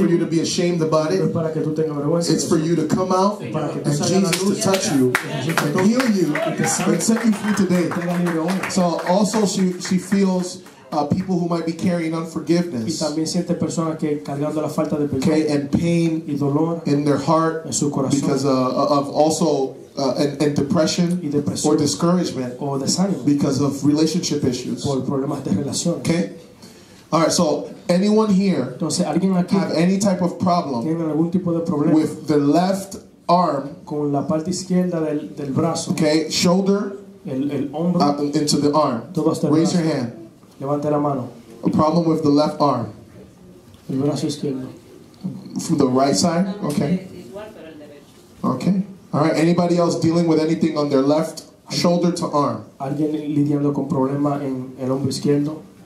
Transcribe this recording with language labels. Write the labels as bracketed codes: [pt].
[en] not for you to be ashamed about it. [es] No es para que tú tengas vergüenza. [en] It's for you to come out [es] para que [en] and Jesus to touch you and heal you and set you free today. So also she feels people who might be carrying unforgiveness. [es] Y también siente personas que cargando la falta de perdón. [en] Okay, and pain [es] y dolor [en] in their heart [es] en su corazón. [en] Because of also and depression [es] y depresión [en] or discouragement [es] o desánimo [en] because of relationship issues. [es] Por problemas de relación. [en] Okay? All right, so anyone here [es] entonces, ¿alguien aquí [en] have any type of problem [es] tiene algún tipo de problema [en] with the left arm, [es] con la parte izquierda del brazo, [en] okay, shoulder, [es] el hombro, [en] into the arm? [es] Todo hasta el [en] raise [es] brazo. [en] Your hand. [es] Levante la mano. [en] A problem with the left arm. [es] El brazo izquierdo. [en] From the right side? Okay. Okay. All right, anybody else dealing with anything on their left shoulder to arm? [es] ¿Alguien lidiando con problema en el hombro izquierdo?